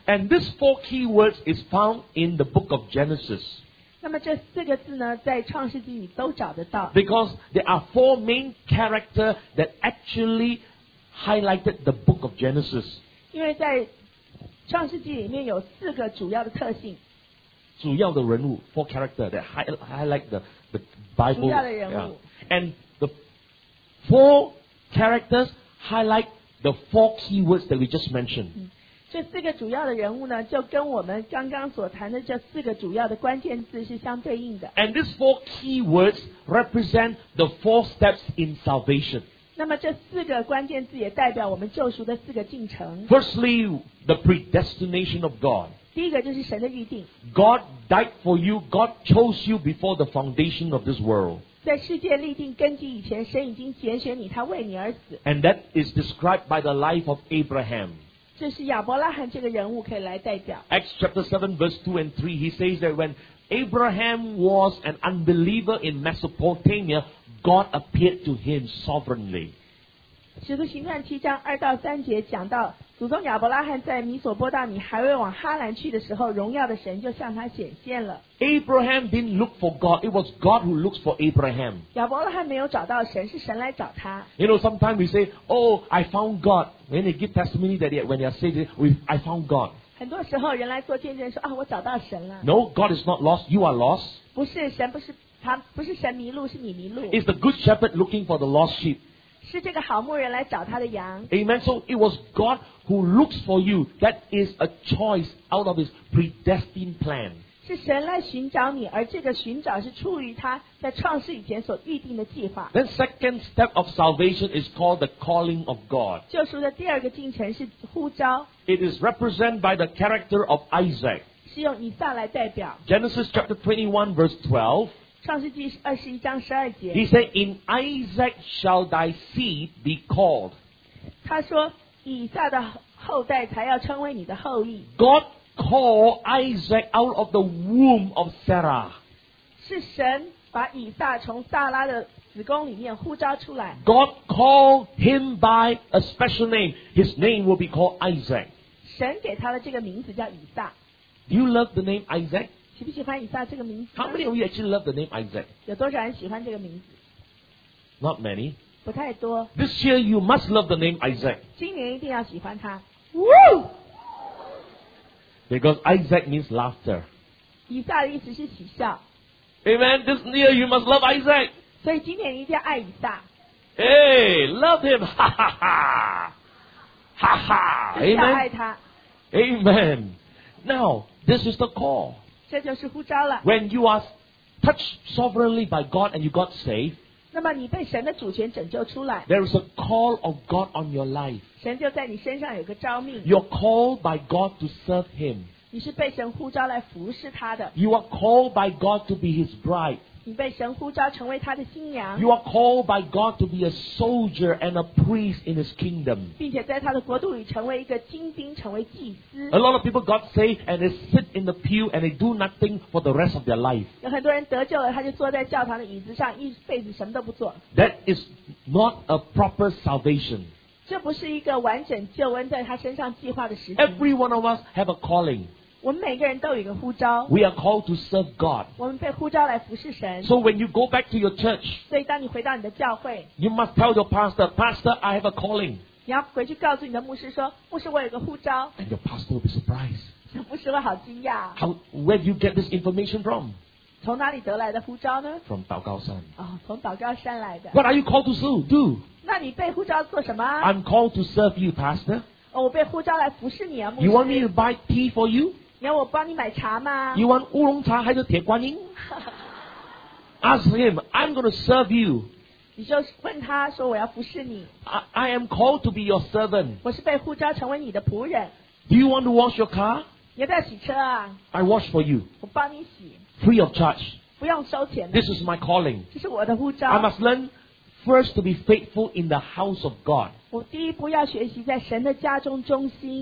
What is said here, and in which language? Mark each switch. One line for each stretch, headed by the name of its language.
English: And these four key words is found in the book of Genesis.
Chinese: 那么这四个字呢，在创世纪里都找得到。
English: Because there are four main characters that actually highlighted the book of Genesis.
Chinese: 因为在创世纪里面有四个主要的特性。主要的人物
English: ，four characters that highlight the Bible.
Chinese: 主要的人物。
English: Yeah. And the four characters highlight the four key words that we just mentioned.
Chinese: 这四个主要的人物呢，就跟我们刚刚所谈的这四个主要的关键字是相对应的。
English: And these four key words represent the four steps in salvation.
Chinese: 那么这四个关键字也代表我们救赎的四个进程。
English: Firstly, the predestination of God.
Chinese: 第一个就是神的预定。
English: God died for you. God chose you before the foundation of this world.
Chinese: 在世界立定根基以前，神已经拣选你，他为你而死。
English: And that is described by the life of Abraham.
Chinese: 这是亚伯拉罕这个人物可以来代表。
English: Acts chapter 7 verse 2 and 3, he says that when Abraham was an unbeliever in Mesopotamia, God appeared to him sovereignly.
Chinese: 使徒行传七章二到三节讲到，祖宗亚伯拉罕在米索波大米还未往哈兰去的时候，荣耀的神就向他显现了。
English: Abraham didn't look for God; it was God who looks for Abraham.
Chinese: 亚伯拉罕没有找到神，是神来找他。
English: You know, sometimes we say, "Oh, I found God." When they give testimony that when they say, "I found God."
Chinese: 很多时候人来做见证说啊，我找到神了。
English: No, God is not lost; you are lost.
Chinese: 不是神，不是他，不是神迷路，是你迷路。
English: It's the good shepherd looking for the lost sheep.
Chinese: 是这个好牧人来找他的羊。
English: Amen. So it was God who looks for you. That is a choice out of His predestined plan.
Chinese: 是神来寻找你，而这个寻找是出于他在创世以前所预定的计划。
English: Then second step of salvation is called the calling of God.
Chinese: 救赎的第二个进程是呼召。
English: It is represented by the character of Isaac.
Chinese: 是用以撒来代表。
English: Genesis chapter 21 verse 12.
Chinese: 创世纪二十一章十二节。
English: He said, "In Isaac shall thy seed be called."
Chinese: 他说，以撒的后代才要称为你的后裔。
English: God called Isaac out of the womb of Sarah.
Chinese: 是神把以撒从撒拉的子宫里面呼召出来。
English: God called him by a special name. His name will be called Isaac.
Chinese: 神给他的这个名字叫以撒。
English: Do you love the name Isaac?
Chinese: 喜不喜欢以撒这个名字？
English: How many of you actually love the name Isaac?
Chinese: 有多少人喜欢这个名字？
English: Not many.
Chinese: 不太多。
English: This year you must love the name Isaac.
Chinese: 今年一定要喜欢他。Woo!
English: Because Isaac means laughter.
Chinese: 以撒的意思是喜笑。
English: Amen. This year you must love Isaac.
Chinese: 所以今年一定要爱以撒。
English: Hey, love him! Ha ha ha! Ha ha! Amen.
Chinese: 就是要爱他。
English: Amen. Now, this is the call.
Chinese: 这就是呼召了。
English: When you are touched sovereignly by God and you got saved,
Chinese: 那么你被神的主权拯救出来。
English: There is a call of God on your life.
Chinese: 神就在你身上有个召命。
English: You're called by God to serve Him.
Chinese: 你是被神呼召来服侍他的。
English: You are called by God to be His bride.
Chinese: 你被神呼召成为他的新娘。
English: You are called by God to be a soldier and a priest in His kingdom.
Chinese: 并且在他的国度里成为一个精兵，成为祭司。
English: A lot of people got saved and they sit in the pew and they do nothing for the rest of their life.
Chinese: 有很多人得救了，他就坐在教堂的椅子上，一辈子什么都不做。
English: That is not a proper salvation.
Chinese: 这不是一个完整救恩在他身上计划的时机。
English: Every one of us have a calling.
Chinese: 我们每个人都有一个呼召。
English: We are called to serve God.
Chinese: 我们被呼召来服侍神。
English: So when you go back to your church,
Chinese: 所以当你回到你的教会，
English: you must tell your pastor, "Pastor, I have a calling."
Chinese: 你要回去告诉你的牧师说，牧师我有个呼召。
English: And your pastor will be surprised.
Chinese: 牧师会好惊讶。
English: How, where do you get this information from?
Chinese: 从哪里得来的呼召呢？
English: From 祷告山。
Chinese: Oh, 从祷告山来的。
English: What are you called to do?
Chinese: 那你被呼召做什么？
English: I'm called to serve you, pastor.
Chinese: 我被呼召来服侍你啊，牧师。
English: You want me to buy tea for you?
Chinese: 你要我帮你买茶吗
English: ？You want
Chinese: 乌龙茶还是铁观音？
English: Ask him. I'm going to serve you.
Chinese: 你就问他说我要服侍你。
English: I am called to be your servant.
Chinese: 我是被呼召成为你的仆人。
English: Do you want to wash your car?
Chinese: 你要不要洗车啊
English: ？I wash for you.
Chinese: 我帮你洗。
English: Free of charge.
Chinese: 不用收钱的。
English: This is my calling.
Chinese: 这是我的呼召。
English: I must learn first to be faithful in the house of God.
Chinese: 我第一步要学习在神的家中忠心。